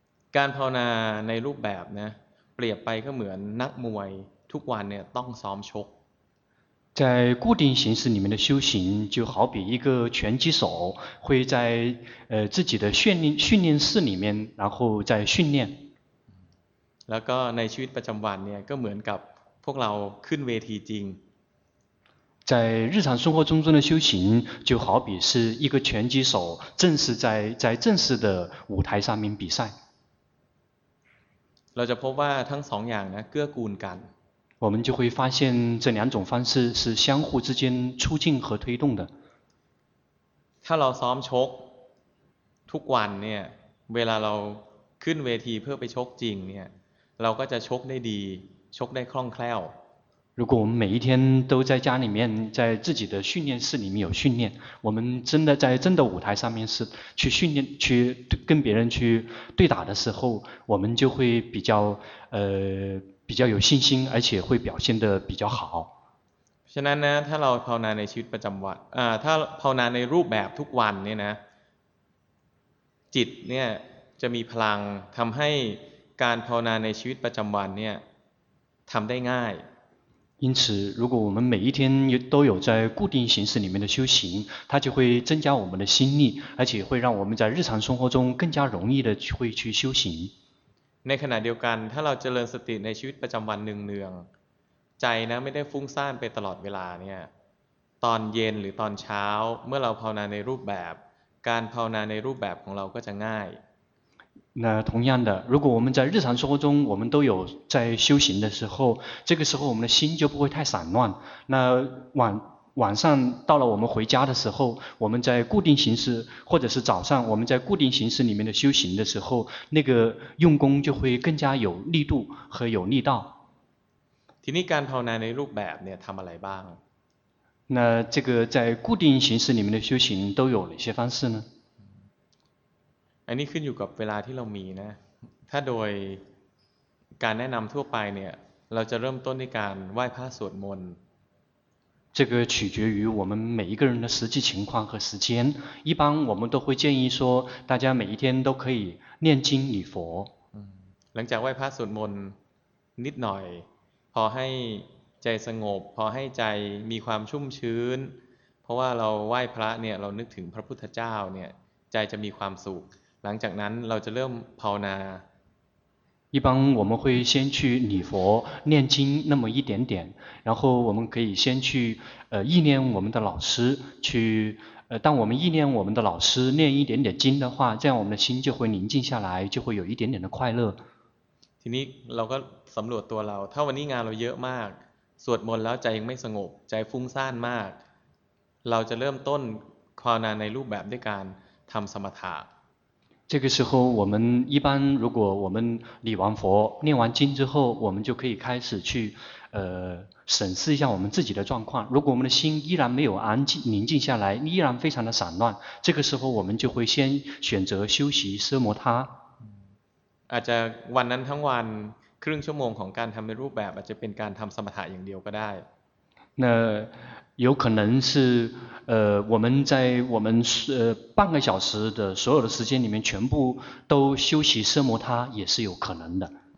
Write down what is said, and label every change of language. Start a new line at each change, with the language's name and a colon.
Thai: การภาวนาในรูปแบบนะเปรียบไปก็เหมือนนักมวยทุกวันเนี่ยต้องซ้อมชก
Chinese: 在固定形式里面的修行就好比一个拳击手会在自己的训练室里面然后再训练
Thai: แล้วก็ในชีวิตประจำวันเนี่ยก็เหมือนกับพวกเราขึ้นเวทีจริง
Chinese: 在日常生活中的修行就好比是一个拳击手正式 在正式的舞台上面比赛。
Thai: เราจะพบว่าทั้งสองอย่างนะเกื้อกูลกัน
Chinese: 我们就会发现这两种方式是相互之间促进和推动的。
Thai: ถ้าเราซ้อมชกทุกวันเนี่ยเวลาเราขึ้นเวทีเพื่อไปชกจริงเนี่ยเราก็จะชกได้ดีชกได้คล่องแคล่ว
Chinese: 如果我们每一天都在家里面在自己的训练室里面有训练我们真的在真的舞台上面是去训练去跟别人去对打的时候我们就会比较有信心而且会表现得比较好
Thai: ฉะนั้นนะถ้าเราภาวนาในชีวิตประจำวันถ้าภาวนาในรูปแบบทุกวันเนี่ยนะจิตเนี่ยจะมีพลังทำให้การภาวนาในชีวิตประจำวันเนี่ยทำได้ง่าย
Chinese: 因此如果我们每一天都有在固定形式里面的修行它就会增加我们的心力而且会让我们在日常生活中更加容易的会去修行
Thai: ในขณะเดียวกันถ้าเราเจริญสติในชีวิตประจำวันเนืองๆใจนะไม่ได้ฟุ้งซ่านไปตลอดเวลาเนี่ยตอนเย็นหรือตอนเช้าเมื่อเราภาวนาในรูปแบบการภาวนาในรูปแบบของเราก็จะง่าย
Chinese: นะ同样的如果我们在日常生活中我们都有在修行的时候这个时候我们的心就不会太散乱那 晚上到了我们回家的时候我们在固定形式或者是早上我们在固定形式里面的修行的时候那个用功就会更加有力度和有力道
Thai: ทีนี้การภาวนาในรูปแบบเนี่ยทำอะไรบ้าง
Chinese: 那这个在固定形式里面的修行都有哪些方式呢
Thai: อันนี้ขึ้นอยู่กับเวลาที่เรามีนะถ้าโดยการแนะนำทั่วไปเนี่ยเราจะเริ่มต้นในการไหว้พระสวดมนต์
Chinese: 这个取决于我们每一个人的实际情况和时间一般我们都会建议说大家每一天都可以念经礼佛
Thai: หลังจากไหว้พระสวดมนต์นิดหน่อยพอให้ใจสงบพอให้ใจมีความชุ่มชื้นเพราะว่าเราไหว้พระเนี่ยเรานึกถึงพระพุทธเจ้าเนี่ยใจจะมีความสุขหลังจากนั้นเราจะเริ่มภาวนา
Chinese: 一般我们会先去礼佛念经那么一点点然后我们可以先去意念我们的老师去当我们意念我们的老师念一点点经的话这样我们的心就会宁静下来就会有一点点的快乐
Thai: ทีนี้เราก็สำรวจตัวเราถ้าวันนี้งานเราเยอะมากสวดมนต์แล้วใจยังไม่สงบใจฟุ้งซ่านมากเราจะเริ่มต้นภาวนาในรูปแบบด้วยการทำสมถะ
Chinese: 这个时候我们一般如果我们礼完佛念完经之后我们就可以开始去审视一下我们自己的状况如果我们的心依然没有安静宁静下来依然非常的散乱这个时候我们就会先选择休息奢摩他
Thai: อาจจะวันนั้นทั้งวันครึ่งชั่วโมงของการทำในรูปแบบอาจจะเป็นการทำสมถะอย่างเดียวก็ได้
Chinese: 那有可能是我们在我们半个小时的所有的时间里面全部都休息奢摩他也是有可能的